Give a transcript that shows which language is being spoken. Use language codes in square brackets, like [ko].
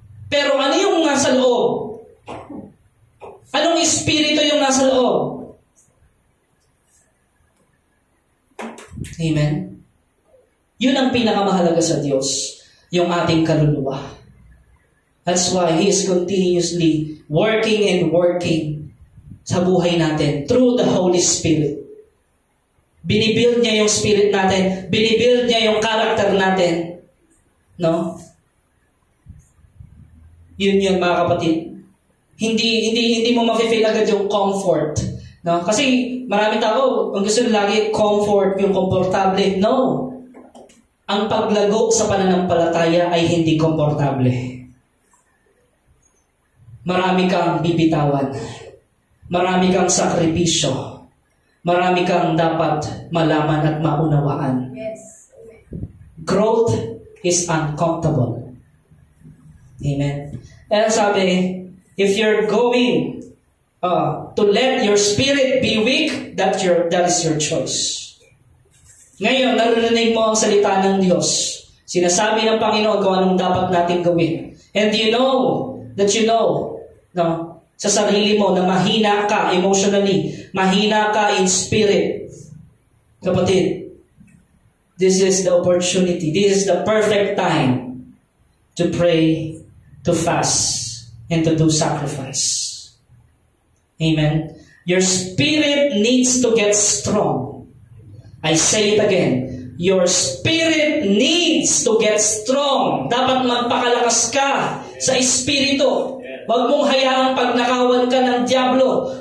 [tl] Pero ano yung nasa loob? Anong espiritu yung nasa loob? Amen? Yun ang pinakamahalaga sa Diyos, yung ating kaluluwa. [en] That's why He is continuously working and working [tl] sa buhay natin [en] through the Holy Spirit. [tl] Binibuild niya yung spirit natin. Binibuild niya yung character natin. No? Yun mga kapatid. Hindi mo ma-feel agad yung comfort. No? Kasi maraming tao, ang gusto nyo lagi, comfort, yung komportable. No! Ang paglago sa pananampalataya ay hindi komportable. Marami kang bibitawan. Marami kang sakripisyo. Marami kang dapat malaman at maunawaan. [en] Yes. Growth is uncomfortable. Amen. [tl] Kaya sabi, [en] if you're going to let your spirit be weak, that is your choice. [tl] Ngayon, narinig mo ang salita ng Diyos. Sinasabi ng Panginoon kung anong dapat natin gawin. [en] And you know that you know, [tl] no, sa sarili mo na mahina ka emotionally, mahina ka in spirit. [en] Kapatid, this is the opportunity, this is the perfect time to pray, to fast, and to do sacrifice. Amen. Your spirit needs to get strong. I say it again, your spirit needs to get strong. [tl] Dapat magpakalakas ka sa espiritu. Huwag mong hayaang pagnakawan ka ng Diablo.